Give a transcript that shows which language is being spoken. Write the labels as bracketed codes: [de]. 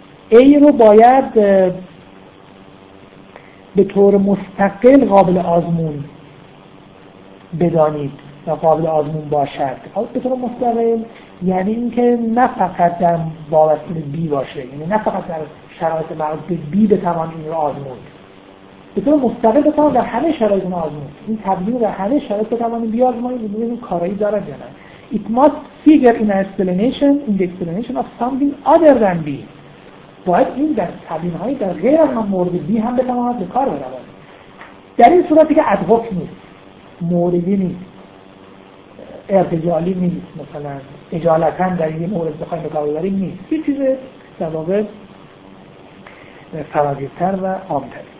[fa] A رو باید به طور مستقل قابل آزمون بدانید و قابل آزمون باشد. به طور مستقل یعنی اینکه نه فقط در وابسته B باشه، یعنی نه فقط در شرایط مربوط به B بتوان این رو آزمود. به طور مستقل بتوان در همه شرایط آزمود. این تبیین در همه شرایط بتوان این بیازمایید و ببینید کارایی دارد یا نه. [en] It must figure in an explanation in the explanation of something other than B. [fa] باید این در تبیین های در غیر از مورد B هم بتواند به کار برود. در این صورت دیگه ادهوک نیست، موردی نیست، ارتجالی نیست، مثلا اجالتا در این مورد بخواهی به کار برود نیست، یه چیز در واقع فراگیرتر و عام‌تر.